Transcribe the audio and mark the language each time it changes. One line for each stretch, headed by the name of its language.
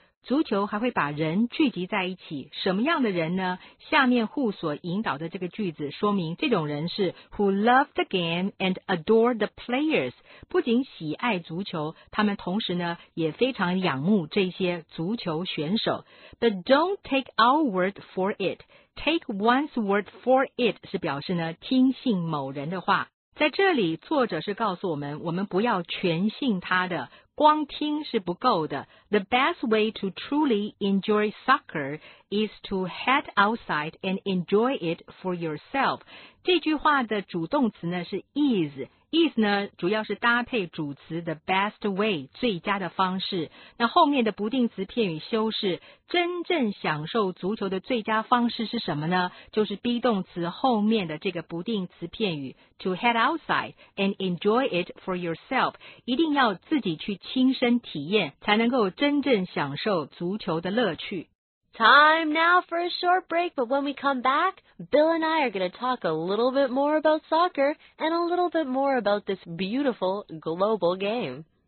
Chinese: 足球还会把人聚集在一起，什么样的人呢？下面互所引导的这个句子说明这种人是
English: who love the game and adore the players，
Chinese: 不仅喜爱足球，他们同时呢也非常仰慕这些足球选手。
English: But don't take our word for it. Take one's word for it
Chinese: 是表示呢听信某人的话。在这里作者是告诉我们，我们不要全信他的，光听是不够的。
English: The best way to truly enjoy soccer is to head outside and enjoy it for yourself.
Chinese: 这句话的主动词呢是 is， is 呢主要是搭配主词 the best way， 最佳的方式。那后面的不定词片语修饰，真正享受足球的最佳方式是什么呢？就是 be 动词后面的这个不定词片语
English: to head outside and enjoy it for yourself，
Chinese: 一定要自己去亲身体验，才能够真正享受足球的乐趣。
English: Time now for a short break, but when we come back, Bill and I are going to talk a little bit more about soccer and a little bit more about this beautiful global game.